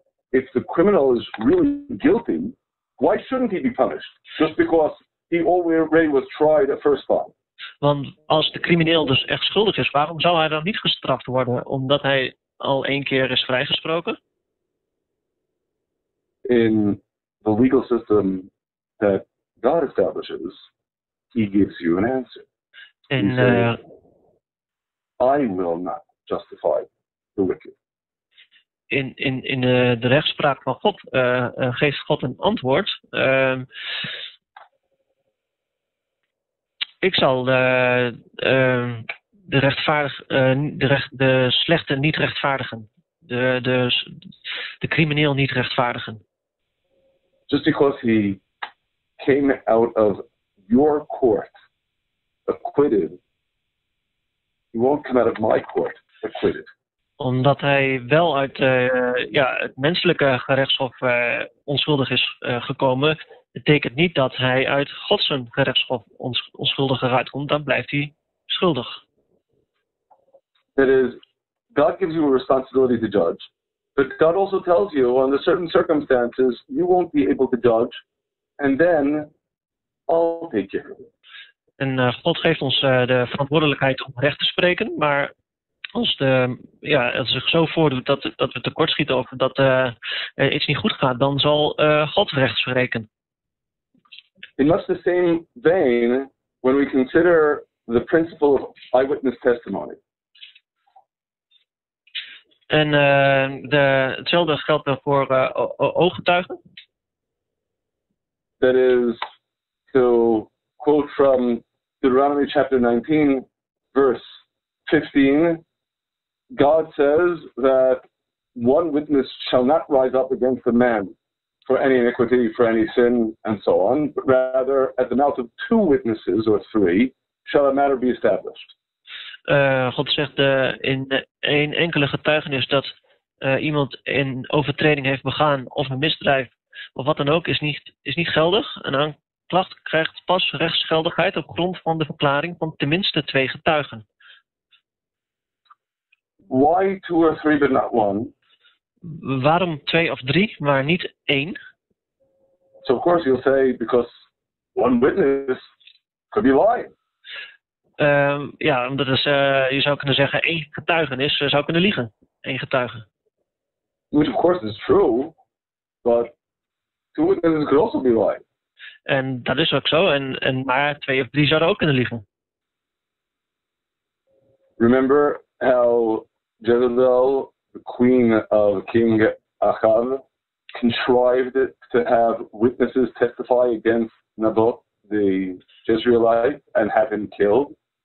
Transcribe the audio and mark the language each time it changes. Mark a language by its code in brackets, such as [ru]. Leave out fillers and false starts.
[en] If the criminal is really guilty, why shouldn't he be punished? Just because he already was tried a first time. [nl] Want als de crimineel dus echt schuldig is, waarom zou hij dan niet gestraft worden omdat hij al één keer is vrijgesproken? [en] In the legal system that God establishes, he gives you an answer. [nl] En [en] I will not justify the wicked. [nl] In de rechtspraak van God geeft God een antwoord. Ik zal de rechtvaardig de slechte niet rechtvaardigen. De crimineel niet rechtvaardigen. [en] Just because he came out of your court acquitted, he won't come out of my court acquitted. [nl] Omdat hij wel uit het menselijke gerechtshof onschuldig is gekomen, betekent niet dat hij uit Gods gerechtshof onschuldig eruit komt. Dan blijft hij schuldig. [en] That is, God gives you a responsibility to judge, but God also tells you under certain circumstances you won't be able to judge, and then I'll take care of it. [nl] En God geeft ons de verantwoordelijkheid om recht te spreken, maar als het zich zo voordoet dat we tekortschieten of dat iets niet goed gaat, dan zal God rechts spreken. [en] In much the same vein, when we consider the principle of eyewitness testimony. [nl] En hetzelfde geldt voor ooggetuigen. [en] that is, so quote from Deuteronomy chapter 19, verse 15, God says that one witness shall not rise up against a man for any iniquity, for any sin, and so on, but rather at the mouth of two witnesses or three shall a matter be established. [nl] God zegt in één enkele getuigenis dat iemand een overtreding heeft begaan of een misdrijf of wat dan ook is niet geldig. Een aanklacht krijgt pas rechtsgeldigheid op grond van de verklaring van tenminste twee getuigen. [en] Why two or three but not one? [nl] Waarom twee of drie, maar niet één? [en] So of course you'll say because one witness could be lying. [nl] Je zou kunnen zeggen één getuigenis zou kunnen liegen. Één getuige. [en] Which of course is true, but two witnesses could also be lying. [nl] En dat is ook zo. Maar twee of drie zouden ook kunnen liegen. [en] Remember how Jezebel, the queen of King Ahab, contrived it to have witnesses testify against Naboth, the Jezreelite, and have him killed?